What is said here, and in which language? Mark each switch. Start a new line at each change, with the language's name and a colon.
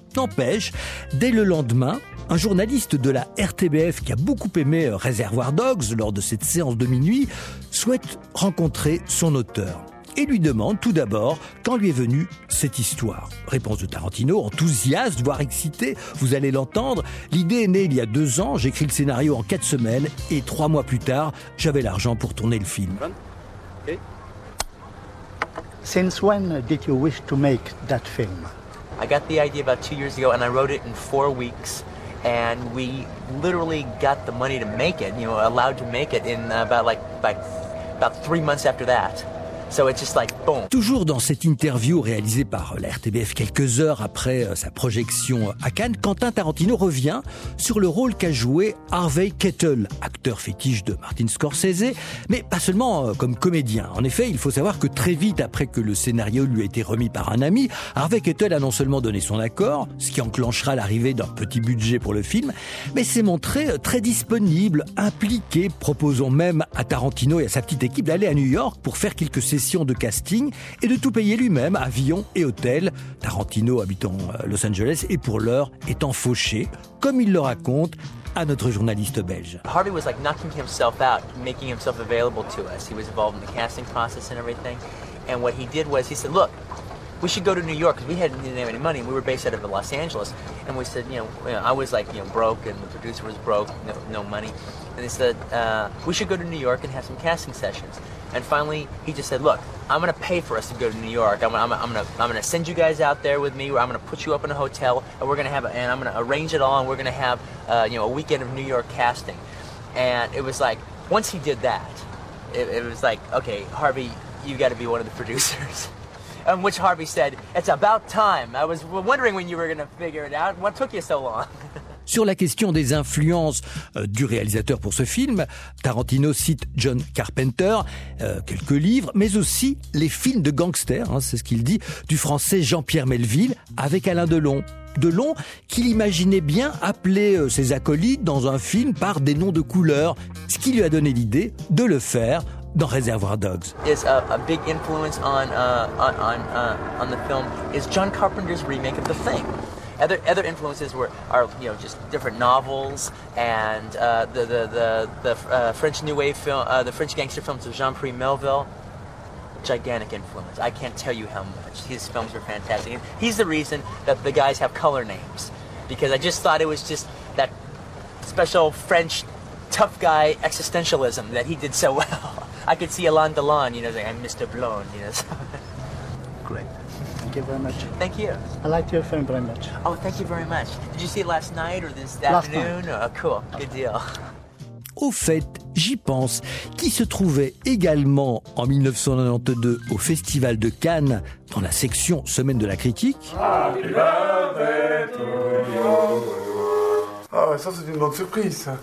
French: N'empêche, dès le lendemain, un journaliste de la RTBF qui a beaucoup aimé Reservoir Dogs lors de cette séance de minuit souhaite rencontrer son auteur et lui demande tout d'abord quand lui est venue cette histoire. Réponse de Tarantino, enthousiaste, voire excité, vous allez l'entendre. L'idée est née il y a 2 ans, j'écris le scénario en 4 semaines et 3 mois plus tard, j'avais l'argent pour tourner le film.
English: Okay. Since when did you wish to make that film? I got the idea about 2 years ago and I wrote it in 4 weeks. And we literally got the money to make it, you know, allowed to make it in about 3 months after that. So it's just like, boom.
French: Toujours dans cette interview réalisée par la RTBF quelques heures après sa projection à Cannes, Quentin Tarantino revient sur le rôle qu'a joué Harvey Keitel, acteur fétiche de Martin Scorsese, mais pas seulement comme comédien. En effet, il faut savoir que très vite après que le scénario lui a été remis par un ami, Harvey Keitel a non seulement donné son accord, ce qui enclenchera l'arrivée d'un petit budget pour le film, mais s'est montré très disponible, impliqué, proposant même à Tarantino et à sa petite équipe d'aller à New York pour faire quelques session de casting et de tout payer lui-même, avion et hôtel, Tarantino habitant Los Angeles et pour l'heure étant fauché, comme il le raconte à notre journaliste belge.
English: Harvey was like knocking himself out, making himself available to us. He was involved in the casting process and everything. And what he did was he said, look, we should go to New York because we didn't have any money. We were based out of Los Angeles. And we said, I was like, broke and the producer was broke, no money. And they said, we should go to New York and have some casting sessions. And finally, he just said, look, I'm going to pay for us to go to New York. I'm going to send you guys out there with me. I'm going to put you up in a hotel and we're going to have and I'm going to arrange it all. And we're going to have, a weekend of New York casting. And it was like, once he did that, it was like, okay, Harvey, you got to be one of the producers. And which Harvey said, it's about time. I was wondering when you were going to figure it out. What took you so long?
French: Sur la question des influences du réalisateur pour ce film, Tarantino cite John Carpenter, quelques livres, mais aussi les films de gangsters, c'est ce qu'il dit, du français Jean-Pierre Melville avec Alain Delon. Delon, qu'il imaginait bien appeler ses acolytes dans un film par des noms de couleurs, ce qui lui a donné l'idée de le faire dans Reservoir Dogs.
English: Is a big influence on the film is John Carpenter's remake of The Thing. Other influences are just different novels and the French New Wave film, the French gangster films of Jean-Pierre Melville. Gigantic influence. I can't tell you how much. His films are fantastic. And he's the reason that the guys have color names, because I just thought it was just that special French tough guy existentialism that he did so well. I could see Alain Delon, saying, I'm Mr. Blonde, Great. Thank you very much. Thank you. I liked your film very much. Oh, thank you very much. Did you see it last night or this afternoon? Last night. Oh, cool. Good deal.
French: Au fait, j'y pense, qui se trouvait également en 1992 au Festival de Cannes, dans la section Semaine de la Critique. Ah, ça c'est une bonne surprise.